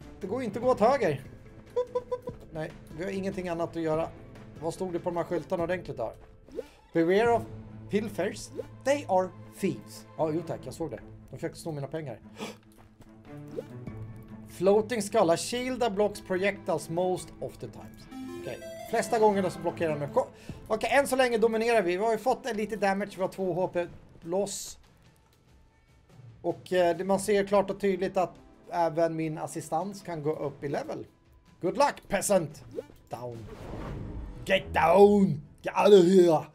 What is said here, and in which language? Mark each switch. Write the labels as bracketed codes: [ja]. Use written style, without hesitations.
[sv] Det går inte att gå åt höger. Nej, vi har ingenting annat att göra. Vad stod det på de här skyltarna ordentligt där? [en] Beware of pilfers. They are thieves. [sv] Ja, jo tack, jag såg det. De försökte sno mina pengar. [en] Floating skull. A shield that blocks projectiles most of the times. Okej. Okay. [sv] Flesta gångerna så blockerar de. Okej, än så länge dominerar vi. Vi har ju fått en lite damage. Vi har 2 HP loss. Och man ser klart och tydligt att även min assistans kan gå upp i level. [en] Good luck, peasant. Down. Get down. Get out of here.